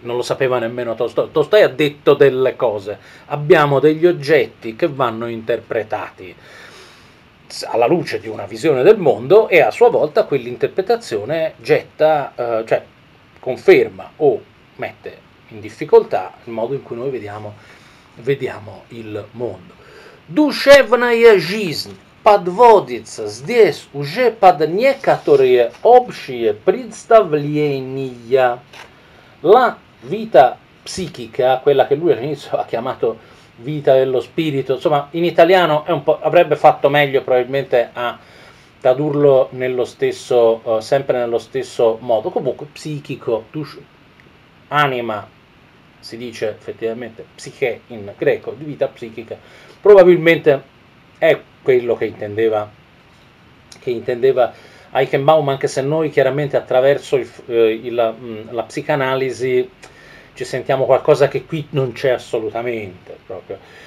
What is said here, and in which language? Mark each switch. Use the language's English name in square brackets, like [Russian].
[Italian] Non lo sapeva nemmeno Tolstoi. Tolstoi ha detto delle cose. Abbiamo degli oggetti che vanno interpretati alla luce di una visione del mondo e a sua volta quell'interpretazione getta, cioè conferma o mette in difficoltà il modo in cui noi vediamo il mondo. [Russian] Душевная жизнь подводится здесь уже под некоторые общие представления. [Italian] La vita psichica, quella che lui all'inizio ha chiamato vita dello spirito, insomma, in italiano è un po', avrebbe fatto meglio probabilmente a tradurlo sempre nello stesso modo. Comunque, psichico, anima, si dice effettivamente, psiche in greco, di vita psichica, probabilmente è quello che intendeva Eichenbaum, anche se noi chiaramente attraverso la psicanalisi ci sentiamo qualcosa che qui non c'è assolutamente proprio.